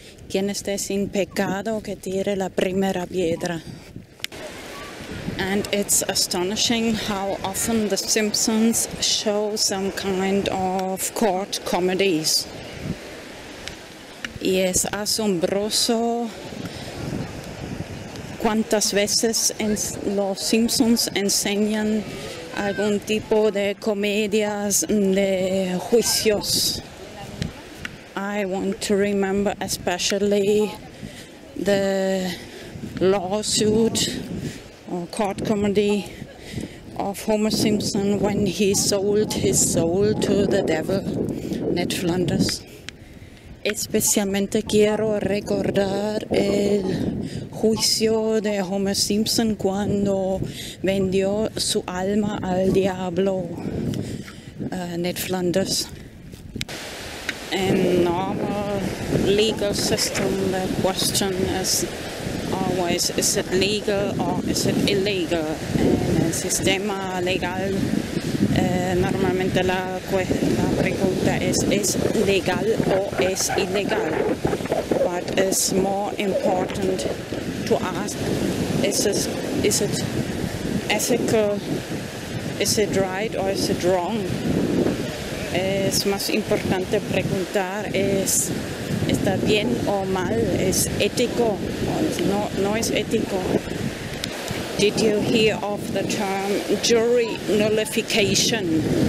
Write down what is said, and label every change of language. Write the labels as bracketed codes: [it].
[es] quien esté sin pecado que tire la primera piedra. [en] And it's astonishing how often the Simpsons show some kind of court comedies. [es] Y es asombroso cuántas veces en los Simpsons enseñan algún tipo de comedias de juicios. [en] I want to remember especially the lawsuit or court comedy of Homer Simpson when he sold his soul to the devil, Ned Flanders. [es] Especialmente quiero recordar el juicio de Homer Simpson cuando vendió su alma al diablo, Ned Flanders. [en] In normal legal system, the question is always, is it legal or is it illegal? [es] En el sistema legal, normalmente la pregunta es legal o es ilegal? [en] But it's more important to ask, is it ethical, is it right or is it wrong? [es] Es más importante preguntar, ¿está bien o mal? ¿Es ético? No es ético. [en] Did you hear of the term jury nullification?